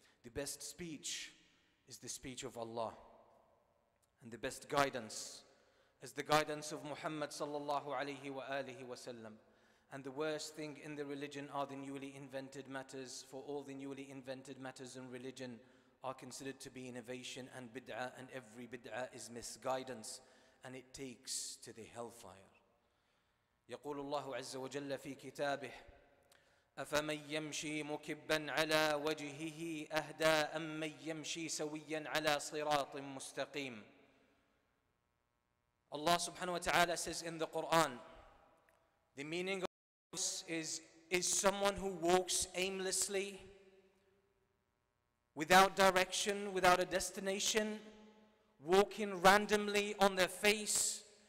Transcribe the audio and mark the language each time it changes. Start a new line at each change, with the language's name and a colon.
English: The best speech is the speech of Allah, and the best guidance is the guidance of Muhammad sallallahu alayhi wa alihi wa sallam. And the worst thing in the religion are the newly invented matters, for all the newly invented matters in religion are considered to be innovation and bid'ah, and every bid'ah is misguidance, and it takes to the hellfire.
Arabic: يقول الله عز وجل في كتابه أَفَمَنْ يَمْشِي مُكِبًّا عَلَى وَجْهِهِ أَهْدَى أَمَّنْ يَمْشِي سَوِيًّا عَلَى صِرَاطٍ مُسْتَقِيمٍ.
English: Allah subhanahu wa ta'ala says in the Quran, the meaning of this is someone who walks aimlessly, without direction, without a destination, walking randomly on their face?